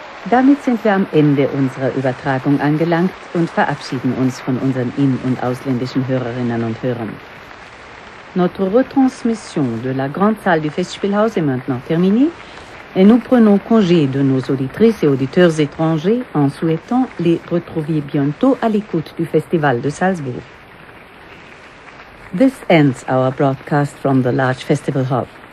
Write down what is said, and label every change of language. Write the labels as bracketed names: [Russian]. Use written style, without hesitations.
[German] Damit sind wir am Ende unserer Übertragung angelangt und verabschieden uns von unseren in- und ausländischen Hörerinnen und Hörern. [French] Notre retransmission de la grande salle du Festspielhaus est maintenant terminée et nous prenons congé de nos auditrices et auditeurs étrangers en souhaitant les retrouver bientôt à l'écoute du Festival de Salzbourg. [English] This ends our broadcast from the large festival hall.